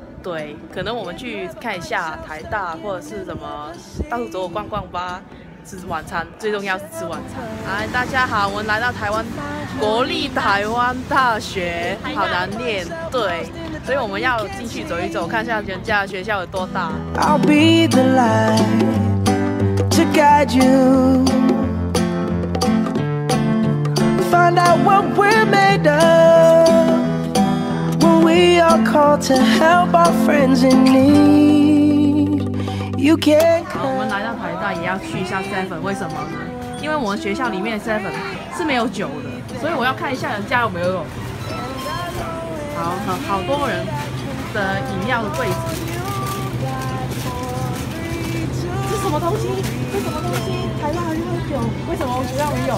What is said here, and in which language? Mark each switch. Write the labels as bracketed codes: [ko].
[zh] 对，可能我们去看一下台大或者是什么，到处走走逛逛吧。吃晚餐最重要是吃晚餐。哎，大家好，我们来到台湾国立台湾大学，好难念，对，所以我们要进去走一走，看一下人家学校有多大。 [en] I'll be the light to guide you. Find out what we're made of. When we are called to help our friends in need, you can come. [zh] 那也要去一下 Seven， 为什么呢？因为我们学校里面 Seven 是没有酒的，所以我要看一下人家有没有。好，好多人的饮料的柜子，这什么东西？台大还有酒？为什么我学校没有？